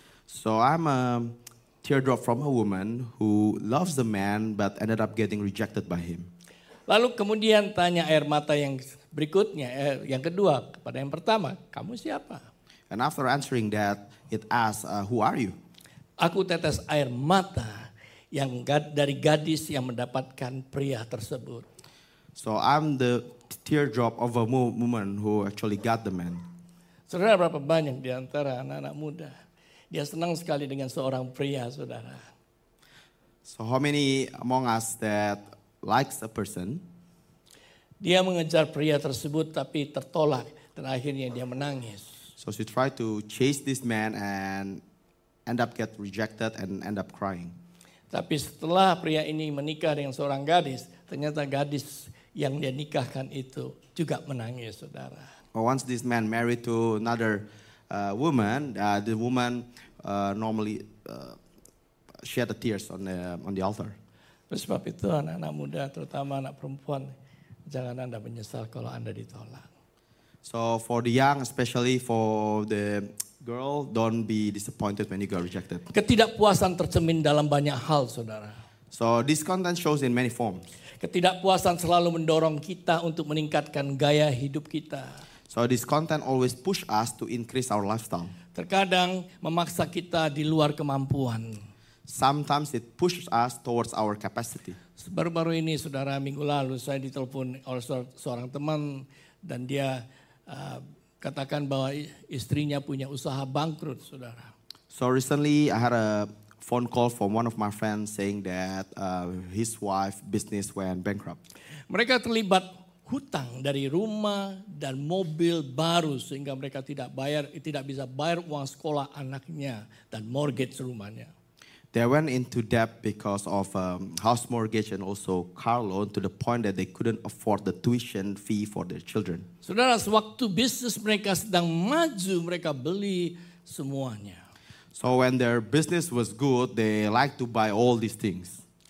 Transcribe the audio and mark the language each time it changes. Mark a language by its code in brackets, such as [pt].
[en] So I'm a teardrop from a woman who loves the man but ended up getting rejected by him. [id] Lalu kemudian tanya air mata yang berikutnya, yang kedua, kepada yang pertama, kamu siapa? [en] And after answering that, it asks, who are you? [id] Aku tetes air mata dari gadis yang mendapatkan pria tersebut. [en] So I'm the teardrop of a woman who actually got the man. [id] Saudara, berapa banyak di antara anak-anak muda dia senang sekali dengan seorang pria, saudara. [en] So how many among us that likes a person? [id] Dia mengejar pria tersebut tapi tertolak dan akhirnya dia menangis. [en] So she tried to chase this man and end up get rejected and end up crying. [id] Tapi setelah pria ini menikah dengan seorang gadis, ternyata gadis yang dia nikahkan itu juga menangis, saudara. [en] Well, once this man married to another woman, the woman normally shed the tears on the altar. [id] Sebab itu anak-anak muda, terutama anak perempuan, jangan Anda menyesal kalau Anda ditolak. [en] So for the young, especially for the girl, don't be disappointed when you get rejected. [id] Ketidakpuasan tercermin dalam banyak hal, saudara. [en] So discontent shows in many forms. [id] Ketidakpuasan selalu mendorong kita untuk meningkatkan gaya hidup kita. [en] So discontent always push us to increase our lifestyle. [id] Terkadang memaksa kita di luar kemampuan. [en] Sometimes it pushes us towards our capacity. [id] Baru-baru ini, saudara, minggu lalu saya ditelepon oleh seorang teman dan dia katakan bahwa istrinya punya usaha bangkrut, saudara. [en] So recently I had a phone call from one of my friends saying that his wife's business went bankrupt. [id] Mereka terlibat hutang dari rumah dan mobil baru sehingga mereka tidak bisa bayar uang sekolah anaknya dan mortgage rumahnya. [en] They went into debt because of house mortgage and also car loan to the point that they couldn't afford the tuition fee for their children. [id] Saudara, sewaktu bisnis mereka sedang maju, mereka beli semuanya. [en] So when their business was good, they like to buy all these things.